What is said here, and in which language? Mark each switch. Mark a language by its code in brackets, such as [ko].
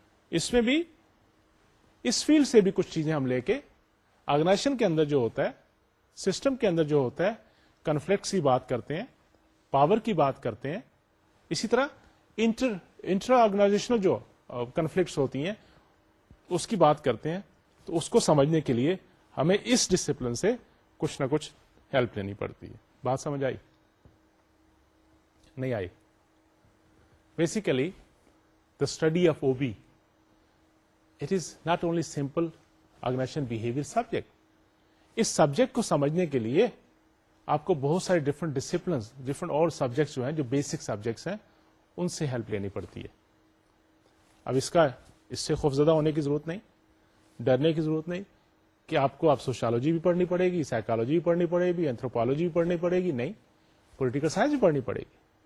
[ur] اس میں بھی, اس فیلڈ سے بھی کچھ چیزیں ہم لے کے آرگنائزیشن کے اندر جو ہوتا ہے, سسٹم کے اندر جو ہوتا ہے, کنفلکٹس کی بات کرتے ہیں, پاور کی بات کرتے ہیں, اسی طرح انٹر آرگنائزیشنل جو کنفلکٹس ہوتی ہیں اس کی بات کرتے ہیں, تو اس کو سمجھنے کے لیے ہمیں اس ڈسپلن سے کچھ نہ کچھ ہیلپ لینی پڑتی ہے. بات سمجھ آئی نہیں آئی؟ [en] Basically the study of O B it is not only simple organization behaviour subject. [ur] اس subject کو سمجھنے کے لیے آپ کو بہت سارے ڈفرنٹ ڈسپلنس, ڈفرنٹ اور سبجیکٹس جو ہیں, جو بیسک سبجیکٹس ہیں, ان سے ہیلپ لینی پڑتی ہے. اب اس سے خوفزدہ ہونے کی ضرورت نہیں, ڈرنے کی ضرورت نہیں کہ آپ کو سوشیالوجی بھی پڑھنی پڑے گی, سائیکالوجی بھی پڑھنی پڑے گی, اینتھروپالوجی بھی پڑھنی پڑے گی, نہیں پولیٹیکل سائنس بھی پڑھنی پڑے گی.